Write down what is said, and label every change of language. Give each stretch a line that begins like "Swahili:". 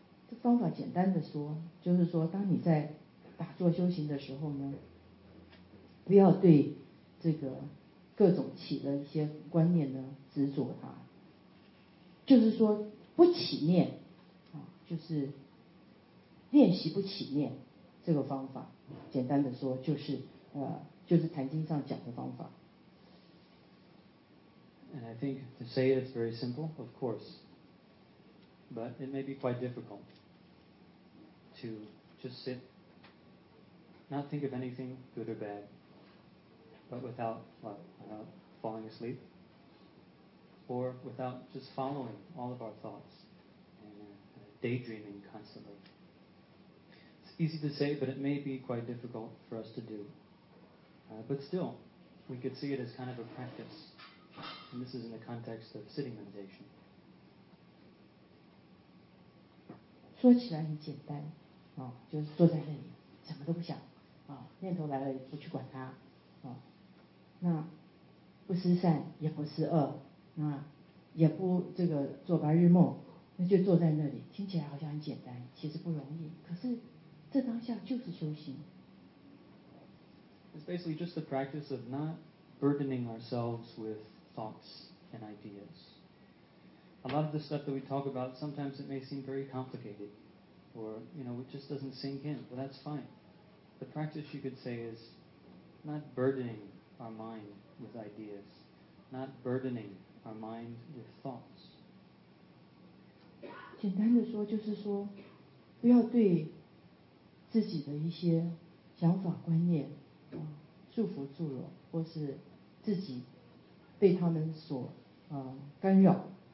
Chinese: 这方法简单的说，就是说当你在打坐修行的时候呢，不要对这个各种起的一些观念呢执着它，就是说不起念，就是练习不起念，这个方法简单的说就是谈经上讲的方法。
English: And I think to say it's very simple, of course, but it may be quite difficult to just sit, not think of anything good or bad, but without falling asleep, or without just following all of our thoughts and daydreaming constantly. It's easy to say, but it may be quite difficult for us to do. But still, we could see it as kind of a practice, and this is in the context of sitting meditation.
Chinese: 说起来很简单，就是坐在那里什么都不想，念头来了也不去管它，那不思善也不思恶，那也不这个做白日梦，那就坐在那里，听起来好像很简单，其实不容易，可是这当下就是修行。
English: It's basically just the practice of not burdening ourselves with thoughts and ideas. A lot of the stuff that we talk about, sometimes it may seem very complicated, or, you know, it just doesn't sink in. Well, that's fine. The practice, you could say, is not burdening our mind with ideas, not burdening our mind with thoughts.
Chinese: 简单的说就是说，不要对自己的一些想法观念束缚住了，或是自己被他们所干扰。